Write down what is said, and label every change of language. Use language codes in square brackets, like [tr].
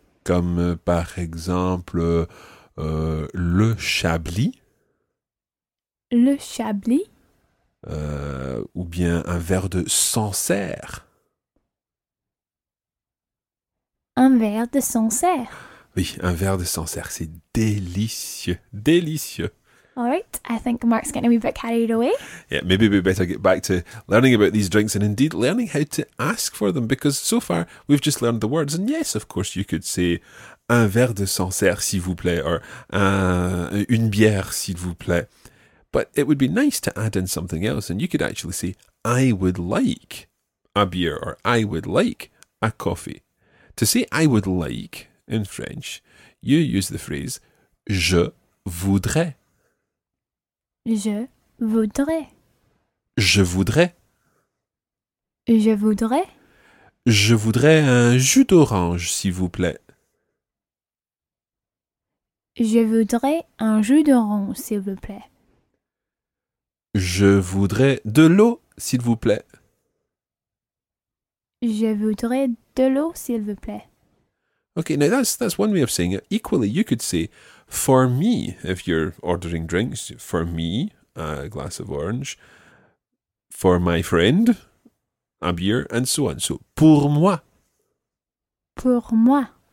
[fr] Comme par exemple le Chablis. Le Chablis. Ou bien un verre de Sancerre. Un verre de Sancerre. Oui, un verre de Sancerre, c'est délicieux, délicieux. [en] All right, I think Mark's going to be a bit carried away. Yeah, maybe we better get back to learning about these drinks and indeed learning how to ask for them, because so far we've just learned the words. And yes, of course, you could say [fr] un verre de Sancerre, s'il vous plaît, [en] or [fr] une bière, s'il vous plaît. [en] But it would be nice to add in something else, and you could actually say I would like a beer or I would like a coffee. To say I would like in French, you use the phrase je voudrais. [fr] Je voudrais. Je voudrais. Je voudrais. Je voudrais un jus d'orange, s'il vous plaît. Je voudrais un jus d'orange, s'il vous plaît. Je voudrais de l'eau, s'il vous plaît. Je voudrais de l'eau, s'il vous plaît. [en] Okay, now that's one way of saying it. Equally, you could say, for me, if you're ordering drinks, for me, a glass of orange, for my friend, a beer, and so on. [fr] So, pour moi. Pour moi.